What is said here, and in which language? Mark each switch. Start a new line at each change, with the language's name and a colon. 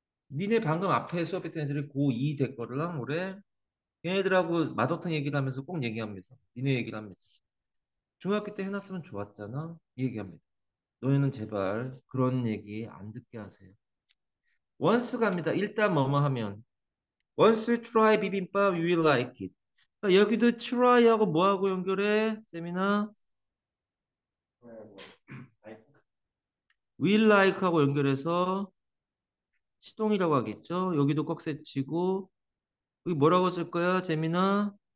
Korean: 니네 방금 앞에 수업했던 애들이 고2 될 거랑 올해 얘네들하고 맛없던 얘기를 하면서 꼭 얘기합니다. 니네 얘기를 합니다. 중학교 때 해놨으면 좋았잖아. 얘기합니다. 너희는 제발 그런 얘기 안 듣게 하세요. Once 갑니다. 일단 뭐뭐 하면
English: Once you try 비빔밥, you will like it.
Korean: 여기도 try하고 뭐하고 연결해? 재미나? will like하고 연결해서 시동이라고 하겠죠? 여기도 꺽쇠 치고 여기 뭐라고 쓸 거야? 재미나?